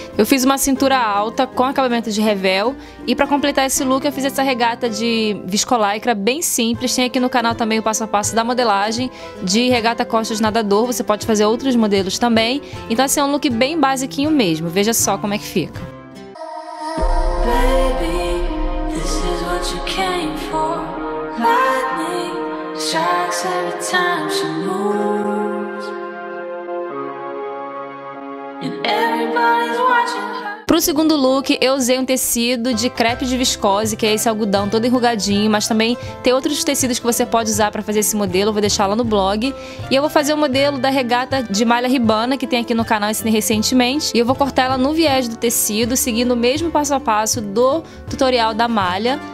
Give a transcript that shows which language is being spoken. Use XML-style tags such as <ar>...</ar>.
<pt>Eu fiz uma cintura alta com acabamento de revel. E pra completar esse look eu fiz essa regata de viscolycra bem simples. Tem aqui no canal também o passo a passo da modelagem de regata costas nadador. Você pode fazer outros modelos também. Então assim, é um look bem basiquinho mesmo. Veja só como é que fica.</pt> <en>Baby, this is what you came for. Lightning strikes every time she moves, and everybody's watching.</en> <pt>Pro segundo look, eu usei um tecido de crepe de viscose, que é esse algodão todo enrugadinho, mas também tem outros tecidos que você pode usar pra fazer esse modelo, eu vou deixar lá no blog. E eu vou fazer o modelo da regata de malha ribana, que tem aqui no canal, ensinei recentemente. E eu vou cortar ela no viés do tecido, seguindo o mesmo passo a passo do tutorial da malha.</pt>